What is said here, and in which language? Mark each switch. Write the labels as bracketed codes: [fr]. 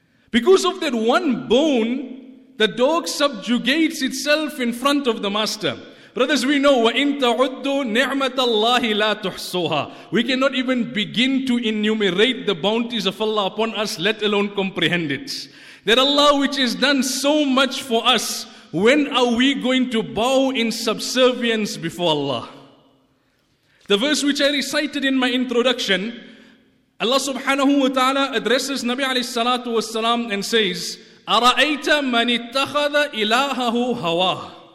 [en] Because of that one bone, the dog subjugates itself in front of the master. Brothers, we know, [ar] وَإِن تَعُدُّ نِعْمَةَ اللَّهِ لَا تُحْصُوهَا. [en] We cannot even begin to enumerate the bounties of Allah upon us, let alone comprehend it. That Allah, which has done so much for us, when are we going to bow in subservience before Allah? The verse which I recited in my introduction, Allah subhanahu wa ta'ala addresses Nabi alayhi salatu wa salam and says, [ar] أَرَأَيْتَ مَنِ اتَّخَذَ إِلَاهَهُ هَوَاهُ.